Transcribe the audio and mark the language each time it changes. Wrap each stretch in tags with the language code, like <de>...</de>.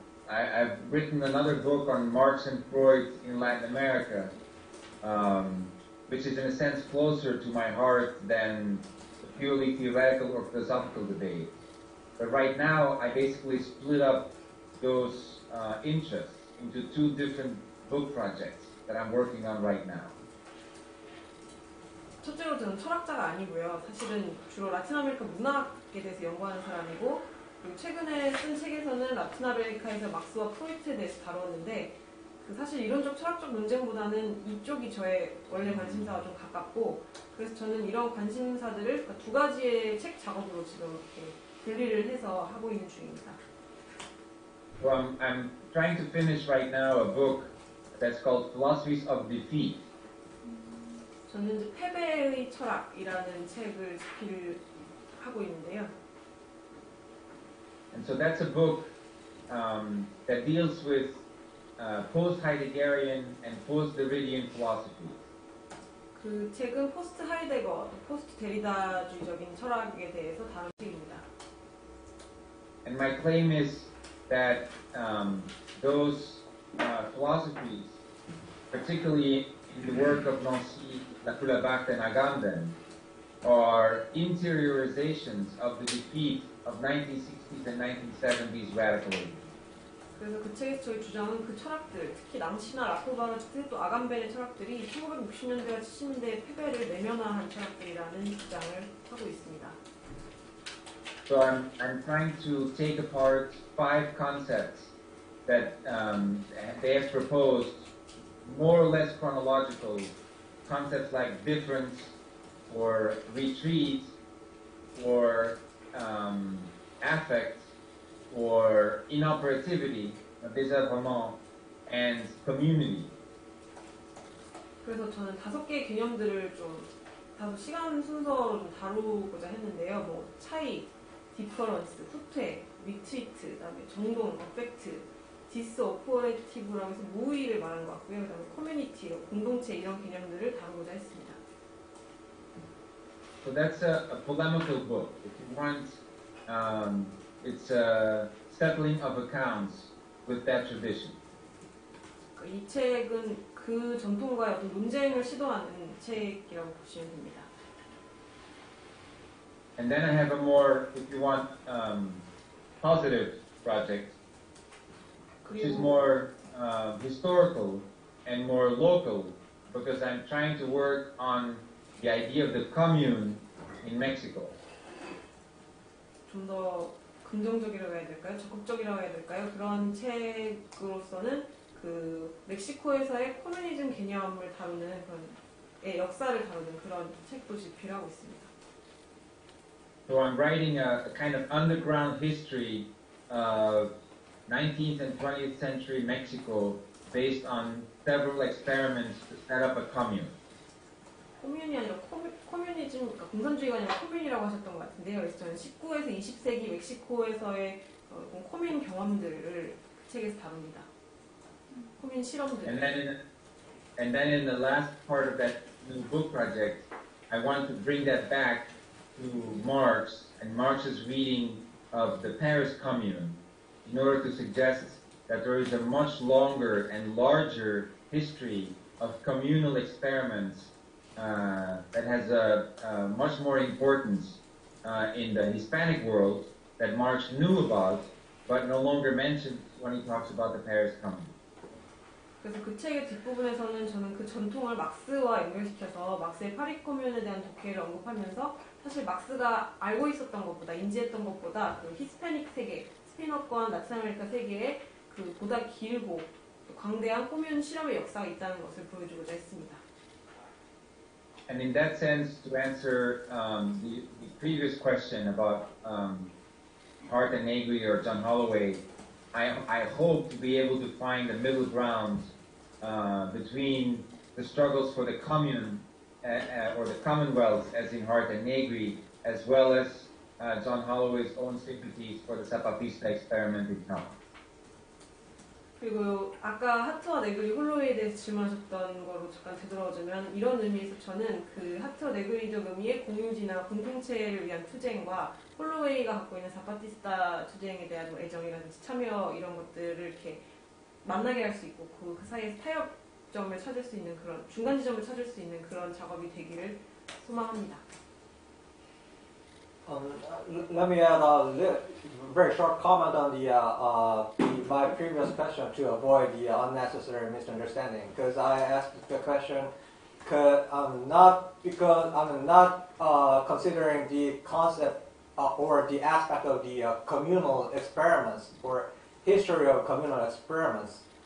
<en>I've written another book on Marx and Freud in Latin America, which is in a sense closer to my heart than the purely theoretical or philosophical debate. But right now, I basically split up those interests into two different book projects that I'm working on right now.</en> <ko>첫째로 저는 철학자가 아니고요. 사실은 주로 라틴아메리카 문학에 대해서 연구하는 사람이고 그리고 최근에 쓴 책에서는 라틴아메리카에서 막스와 프로이트에 대해서 다루었는데 그 사실 이론적 철학적 논쟁보다는 이쪽이 저의 원래 관심사와 좀 가깝고 그래서 저는 이런 관심사들을 두 가지의 책 작업으로 지금 이렇게 분리를 해서 하고 있는 중입니다.</ko> <en>Well, I'm trying to finish right now a book that's called Philosophies of Defeat.</en> <ko>저는 이제 패배의 철학이라는 책을 집필을 하고 있는데요.</ko> <en>And so that's a book that deals with post-Heideggerian and post-Derridian philosophy.</en> <ko>그 책은 포스트하이데거, 포스트데리다주의적인 철학에 대해서 다룬 책입니다.</ko> <en>And my claim is that those philosophies, particularly in the work of Nancy Lacoulabac and Agamben, are interiorizations of the defeat of 1960s and 1970s radicalism.</en> <ko>그래서 그 책에서 저희 주장은 그 철학들, 특히 남시나 라코바르트 또 아간벤의 철학들이 1960년대와 70년대의 패배를 내면화한 철학들이라는 주장을 하고 있습니다.</ko> <en>So I'm trying to take apart five concepts that they have proposed, more or less chronological concepts like difference or retreat or affect or inoperativity, désœuvrement, and community.</en> <ko>그래서 저는 다섯 개의 개념들을 좀 다섯 시간 순서로 좀 다루고자 했는데요. 뭐 차이, difference, 후퇴, retreat, 그다음에 정동, affect, disoperative라면서 무의를 말하는 것 같고요. 그다음에 community, 공동체 이런 개념들을 다루고자 했습니다.</ko> <en>So that's a polemical book. If you want, it's a settling of accounts with that tradition.</en> <ko>이 책은 그 전통과의 어떤 논쟁을 시도하는 책이라고 보시면 됩니다.</ko> <en>And then I have a more, if you want, positive project, which is more historical and more local, because I'm trying to work on the idea of the commune in Mexico.</en> <ko>좀 더 긍정적이라고 해야 될까요? 적극적이라고 해야 될까요? 그런 책으로서는 그 멕시코에서의 커뮤니즘 개념을 다루는 그런 역사를 다루는 그런 책도 집필하고 있습니다.</ko> <en>So I'm writing a kind of underground history of 19th and 20th century Mexico based on several experiments to set up a commune.</en> <ko>커뮤니 아니라 커뮤니즘, 그러니까 공산주의가 아니라 커뮤니라고 하셨던 것 같은데요. 그래서 저는 19에서 20세기 멕시코에서의 커뮤니 경험들을 그 책에서 다룹니다. 커뮤니 실험들.</ko> <en>And then in the last part of that new book project, I want to bring that back to Marx and Marx's reading of the Paris Commune in order to suggest that there is a much longer and larger history of communal experiments that has a much more importance in the Hispanic world that Marx knew about, but no longer mentions when he talks about the Paris Commune.</en> <ko>그래서 그 책의 뒷부분에서는 저는 그 전통을 막스와 연결시켜서 막스의 파리 커뮌에 대한 독해를 언급하면서 사실 막스가 알고 있었던 것보다 인지했던 것보다 그 히스패닉 세계, 스페인어권, 라틴아메리카 세계에 그 보다 길고 광대한 커뮌 실험의 역사가 있다는 것을 보여주고자 했습니다.</ko> <en>And in that sense, to answer the previous question about Hart and Negri or John Holloway, I hope to be able to find a middle ground between the struggles for the commune or the commonwealth, as in Hart and Negri, as well as John Holloway's own sympathies for the Zapatista experiment in Cuba.</en> <ko>그리고 아까 하트와 네그리 홀로웨이에 대해서 질문하셨던 거로 잠깐 되돌아오자면 이런 의미에서 저는 그 하트와 네그리적 의미의 공유지나 공동체를 위한 투쟁과 홀로웨이가 갖고 있는 자파티스타 투쟁에 대한 애정이라든지 참여 이런 것들을 이렇게 만나게 할 수 있고 그 사이에서 타협점을 찾을 수 있는 그런 중간 지점을 찾을 수 있는 그런 작업이 되기를 소망합니다.</ko> <en>Let me add a very short comment on the my previous question to avoid the unnecessary misunderstanding. Because I asked the question, considering the concept or the aspect of the communal experiments or history of communal experiments.</en>